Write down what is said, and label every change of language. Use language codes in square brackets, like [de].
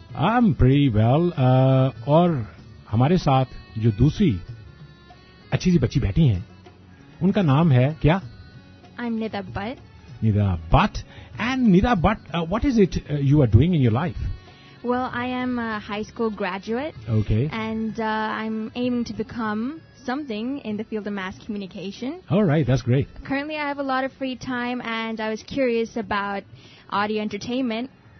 [en] I'm pretty well. اور [ur] ہمارے ساتھ جو دوسری اچھی سی بچی بیٹھی ہیں ان کا نام ہے کیا؟ [en] I'm Nida Butt. Nida Butt. And Nida Butt, what is it you are doing in your life? Well, I am a high school graduate. Okay. And I'm aiming to become something in the field of mass communication. All right, that's great. Currently, I have a lot of free time and I was curious about audio entertainment.